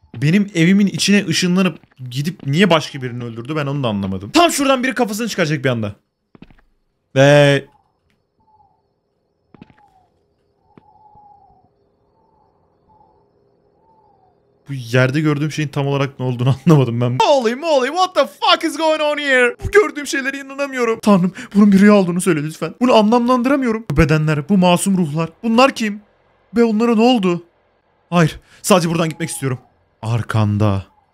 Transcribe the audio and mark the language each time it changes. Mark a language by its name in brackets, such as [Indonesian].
[Turkish] Benim evimin içine ışınlanıp gidip niye başka birini öldürdü ben onu da anlamadım. Tam şuradan biri kafasını çıkaracak bir anda. Ve... Bu yerde gördüğüm şeyin tam olarak ne olduğunu anlamadım ben. [English] Holy moly, what the fuck is going on here? [Turkish] Bu gördüğüm şeylere inanamıyorum. Tanrım, bunun bir rüya olduğunu söyle lütfen. Bunu anlamlandıramıyorum. Bu bedenler, bu masum ruhlar. Bunlar kim? Ve onlara ne oldu? Hayır, sadece buradan gitmek istiyorum. Arkanda.